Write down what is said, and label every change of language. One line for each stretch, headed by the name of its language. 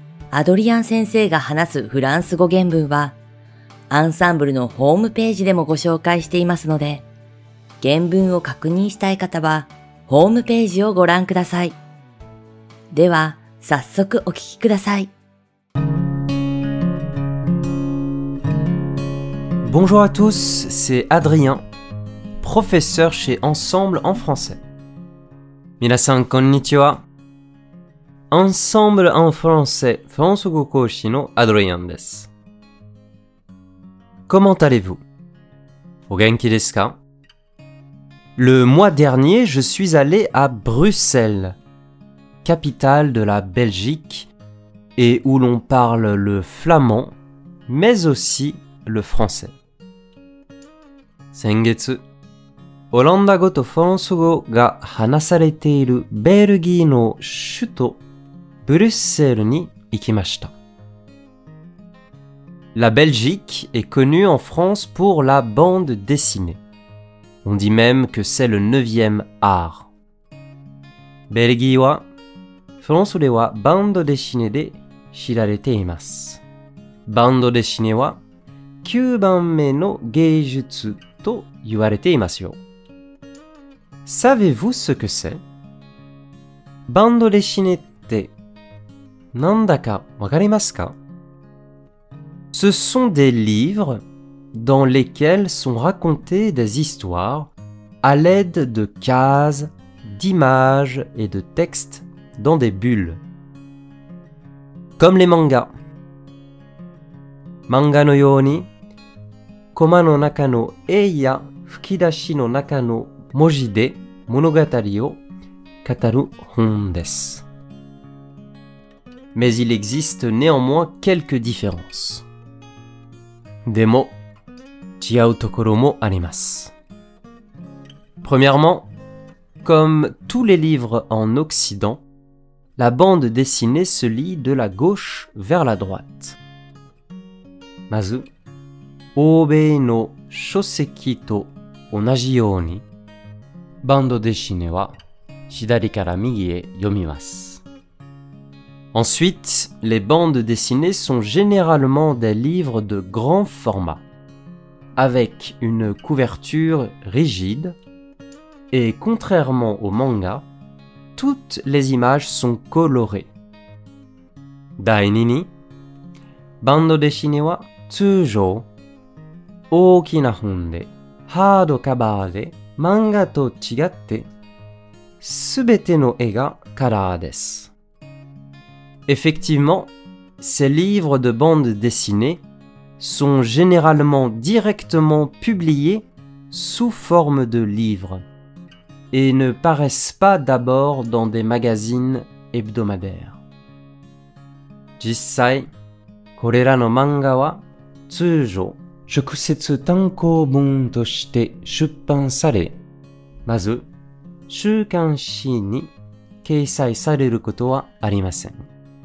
Japanese: アドリアン先生が話すフランス語原文はアンサンブルのホームページでもご紹介していますので、原文を確認したい方はホームページをご覧ください。では、早速お聞きください。
French: Bonjour à tous, c'est Adrien, professeur chez Ensemble en français.
Japanese: 皆さん、こんにちは。 Ensemble en français、フランス語講師のアドリアンです。
French: Comment allez-vous?
Japanese: お元気ですか？
French: Le mois dernier, je suis allé à Bruxelles, capitale de la Belgique, et où l'on parle le flamand, mais aussi le français.
Japanese: 先月、オランダ語とフランス語が話されているベルギーの首都ブリュッセルに行きました。
French: La Belgique est connue en France pour la bande dessinée. On dit même que c'est le 9e art.
Japanese: ベルギーは、フランスではバンドデシネで知られています。バンドデシネは9番目の芸術と言われていますよ。
French: Savez-vous ce que c'est?
Japanese: バンドデシネってなんだかわかりますか?
French: Ce sont des livres... dans lesquels sont racontées des histoires à l'aide de cases, d'images et de textes dans des bulles. Comme les mangas.
Japanese: Manga のように、コマの中の絵や吹き出しの中の文字で物語を語る本です。
French: Mais il existe néanmoins quelques différences.
Japanese: でも、違うところもあります。
French: Premièrement, comme tous les livres en Occident, la bande dessinée se lit de la gauche vers la droite.
Japanese: まず、欧米の書籍と同じように、バンドデシネは左から右へ読みます。
French: Ensuite, les bandes dessinées sont généralement des livres de grand format. Avec une couverture rigide, et contrairement au manga, toutes les images sont colorées.
Japanese: 第2に、バンドデシネは通常、大きな本で、ハードカバーで、漫画と違って、すべての絵がカラーです。
French: Effectivement, ces livres de bande dessinée,sont généralement directement publiés sous forme de livres et ne paraissent pas d'abord dans des magazines hebdomadaires.
Japanese: 実際、これらの漫画は通常直接単行本として出版され、まず週刊誌に掲載されることはありません。